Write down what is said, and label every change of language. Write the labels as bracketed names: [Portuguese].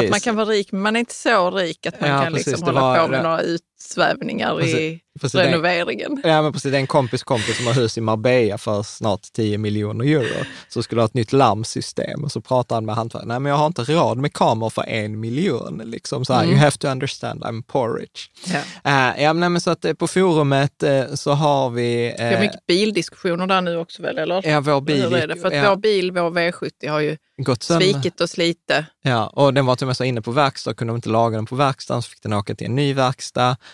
[Swedish] Att man kan vara rik, men man är inte så rik att man kan liksom hålla på med några utsvävningar i renoveringen. Den, ja, men precis. Det är en kompis som har hus i Marbella för snart 10 miljoner euro. Så skulle ha ett nytt larmsystem. Och så pratar han med hantverkare. Nej, men jag har inte råd med kameror för 1 miljon. Liksom så här, [English] you have to understand, I'm poor rich. [Swedish] Ja, Men nej, men så att på forumet så har vi... Det är mycket bildiskussioner där nu också, väl? Eller? Ja, vår bil. Hur är det? För att vår bil, vår V70 har ju... svikit oss lite. Ja, och den var till och med så inne på verkstad. Kunde de inte laga den på verkstaden så fick den åka till en ny verkstad.